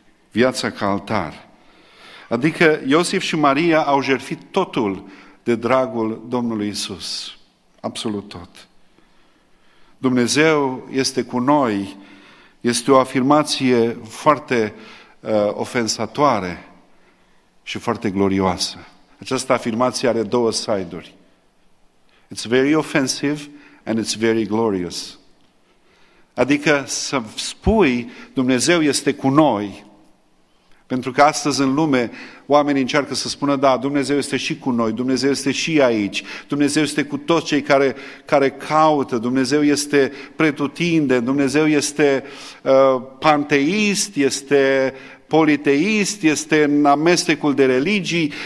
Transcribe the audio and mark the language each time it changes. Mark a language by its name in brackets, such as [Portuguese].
[Romanian] Viața ca altar. Adică Iosif și Maria au jertfit totul de dragul Domnului Iisus. Absolut tot. Dumnezeu este cu noi. Este o afirmație foarte ofensatoare și foarte glorioasă. Această afirmație are două side-uri. [English] It's very offensive and it's very glorious. [Romanian] Adică să spui Dumnezeu este cu noi, pentru că astăzi în lume oamenii încearcă să spună da, Dumnezeu este și cu noi, Dumnezeu este și aici, Dumnezeu este cu toți cei care caută, Dumnezeu este pretutinde, Dumnezeu este panteist, este politeist, este în amestecul de religii.